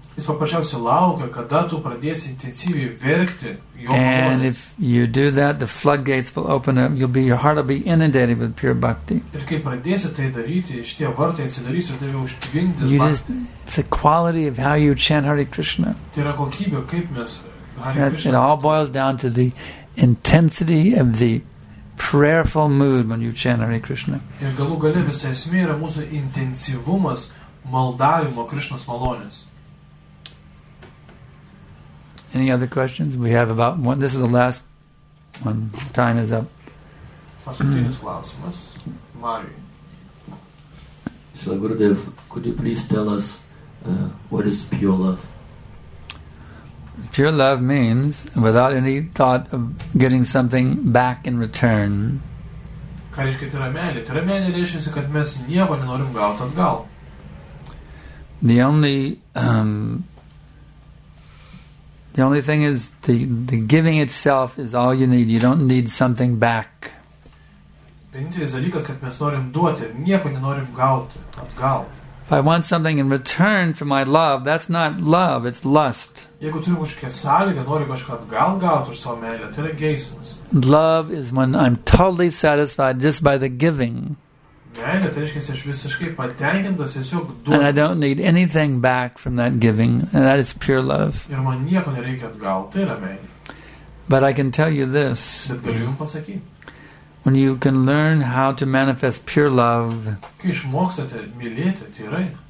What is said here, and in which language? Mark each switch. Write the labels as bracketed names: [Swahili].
[Lithuanian] Jis paprasčiausiai laukia, kada tu pradėsi intensyviai verkti jo [English] And if you do that, the floodgates will open up. You'll be, your heart will be inundated with pure bhakti. [Lithuanian] Ir kai pradėsi tai daryti, šitie vartai atsidarys ir tave užtvindys bhakti. [English] It's a quality of how you chant Hare Krishna. [Lithuanian] Tai yra kokybė, kaip mes Hare [English] Krishna. It all boils down to the intensity of the prayerful mood when you chant Hare Krishna. [Lithuanian] Ir galų gale visa esmė yra mūsų intensyvumas maldavimo Krishnos malonės. [English] Any other questions? We have about one. This is the last one. Time is up. [Lithuanian] Paskutinis klausimas. Mariju. [English] So, Gurudev, could you please tell us what is pure love? Pure love means without any thought of getting something back in return. [Lithuanian] Ką reiškia tai yra meilė? Tai yra meilė reiškia, kad mes nieko nenorim gauti atgal. [English] The only... The only thing is the giving itself is all you need. You don't need something back. [Lithuanian] Vienintelis dalykas, kad mes norim duoti, nieko nenorim gauti atgal. [English] If I want something in return for my love, that's not love, it's lust. [Lithuanian] Jeigu turiu kažkokią sąlygą, noriu kažką atgal gauti už savo meilę, tai yra geismas. [English] Love is when I'm totally satisfied just by the giving. [Lithuanian] Meilė, tai reiškia, aš visiškai patenkintas, tiesiog duodamas. [English] And I don't need anything back from that giving, and that is pure love. [Lithuanian] Ir man nieko nereikia atgal, tai yra meilė. [English] But I can tell you this. [Lithuanian] Bet galiu jums pasakyti. [English] When you can learn how to manifest pure love, [Lithuanian] kai išmoksate mylėti tyrai,